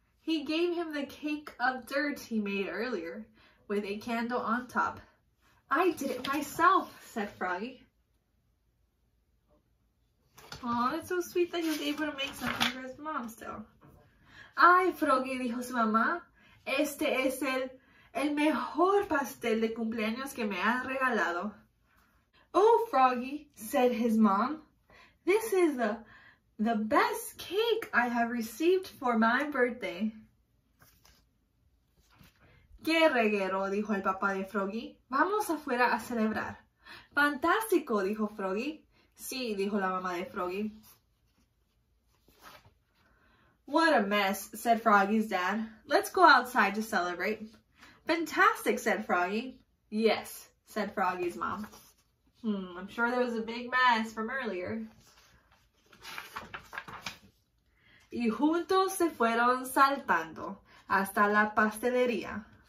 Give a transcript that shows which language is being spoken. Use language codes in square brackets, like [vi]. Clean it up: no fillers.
[en] He gave him the cake of dirt he made earlier, with a candle on top. I did it myself, said Froggy. Aw, it's so sweet that he was able to make something for his mom still. [es] Ay, Froggy, dijo su mamá, este es el mejor pastel de cumpleaños que me has regalado. [en] Oh, Froggy, said his mom, this is the best cake I have received for my birthday. [es] ¡Qué reguero!, dijo el papá de Froggy. ¡Vamos afuera a celebrar! ¡Fantástico!, dijo Froggy. Sí, dijo la mamá de Froggy. [en] What a mess, said Froggy's dad. Let's go outside to celebrate. Fantastic, said Froggy. Yes, said Froggy's mom. I'm sure there was a big mess from earlier. [es] Y juntos se fueron saltando hasta la pastelería.